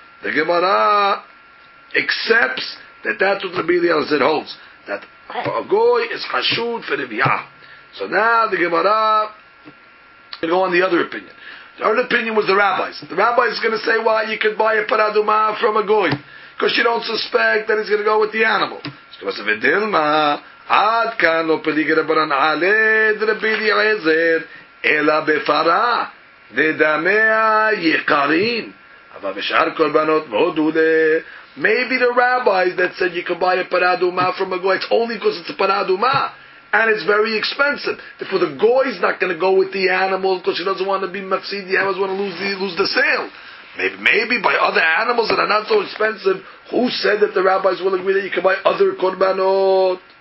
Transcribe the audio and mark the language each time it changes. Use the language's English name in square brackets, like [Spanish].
[English] The Gemara accepts that that's what Rabbi Eliezer holds, that a goy is hashud for revi'ah. So now the Gemara can go on the other opinion. The other opinion was the rabbis. The rabbis is going to say why you could buy a paraduma from a goy, because you don't suspect that he's going to go with the animal. It's because of a dilma. [Aramaic] עד כאן לא פליג רבנן עלה דרבי אליעזר אלא בפרה לדמיה יקרין אבל בשאר קורבנות מאוד עולה. [English] Maybe the rabbis that said you can buy a פרה אדומה from a goy, it's only because it's a פרה אדומה and it's very expensive, therefore the goy is not going to go with the animal because he doesn't want to be mafsid, the animals want to lose the sale. Maybe by other animals that are not so expensive, who said that the rabbis will agree that you can buy other korbanot?